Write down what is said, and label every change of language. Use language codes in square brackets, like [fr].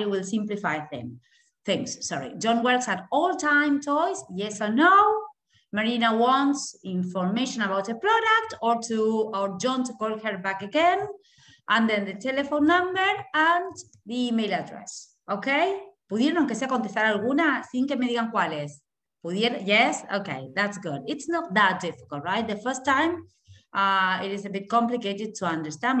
[en] It will simplify things. Sorry. John works at All Time Toys, yes or no? Marina wants information about a product or John to call her back again. And then the telephone number and the email address. Okay? [es] ¿Pudieron aunque sea contestar alguna sin que me digan cuáles? [en] Yes? Okay, that's good. It's not that difficult, right? The first time, it is a bit complicated to understand.